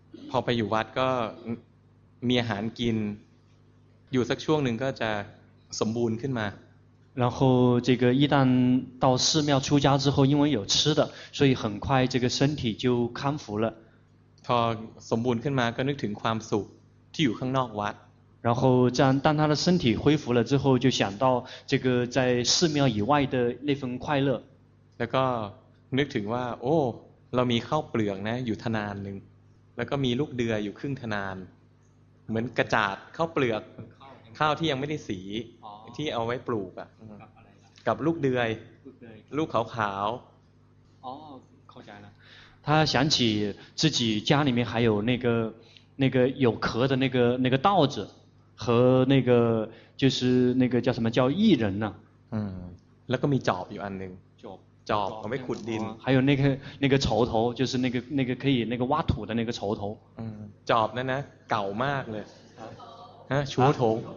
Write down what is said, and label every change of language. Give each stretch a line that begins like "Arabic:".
Thai: พอไปอยู่วัดก็มีอาหารกินอยู่สักช่วงหนึ่งก็จะสมบูรณ์ขึ้นมา
Chinese: 然后这个一旦到寺庙出家之后因为有吃的所以很快这个身体就康复了
Thai: พอสมบูรณ์ขึ้นมาก็นึกถึงความสุขที่อยู่ข้างนอกวัด
Chinese: 然后这样当他的身体恢复了之后就想到这个在寺庙以外的那份快乐
Thai: แล้วก็นึกถึงว่าโอ้เรามีข้าวเปลือกนะอยู่ทนานหนึ่งแล้วก็มีลูกเดืออยู่ครึ่งทนานเหมือนกระจาดข้าวเปลือกข้าวที่ยังไม่ได้สีที่เอาไว้ปลูกอ่ะกับลูกเดือยลูกขาวขาว อ๋อเข้าใจแล้ว
Chinese: 他想起自己家里面还有那个有壳的那个稻子和那个就是那个叫什么叫薏仁呐
Thai: แล้วก็มีจอบอยู่อันนึง จอบ เอาไว้ขุดดิน
Chinese: 还有那个锄头就是那个可以那个挖土的那个锄头
Thai: จอบนั่นนะเก่ามากเลยฮะชูถง